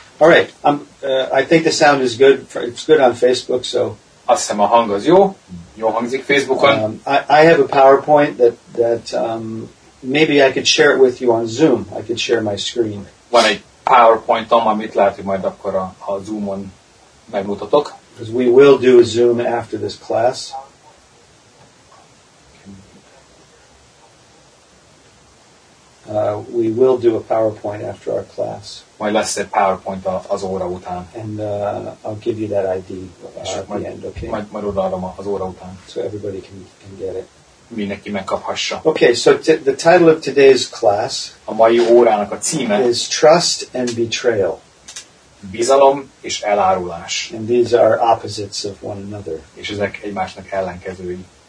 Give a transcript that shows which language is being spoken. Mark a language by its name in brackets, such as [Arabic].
[English] All right, I think the sound is good. It's good on Facebook, so... [Hungarian] Azt hiszem a hang az jó. Jó hangzik Facebookon. [English] I have a PowerPoint that maybe I could share it with you on Zoom. I could share my screen. [Hungarian] Van egy PowerPointom, amit lehet, hogy majd akkor a Zoomon megmutatok. [English] Because we will do a Zoom after this class. We will do a PowerPoint after our class. [Hungarian] Majd lesz egy PowerPoint az óra után. [English] And I'll give you that ID at the end, okay? [Hungarian] Majd odaadom az óra után. [English] So everybody can get it. [Hungarian] Mindenki megkaphassa. [English] Okay, so the title of today's class [Hungarian] a mai órának a címe [English] is Trust and Betrayal. [Hungarian] Bizalom és elárulás. [English] And these are opposites of one another. [Hungarian] És ezek egymásnak ellenkezői.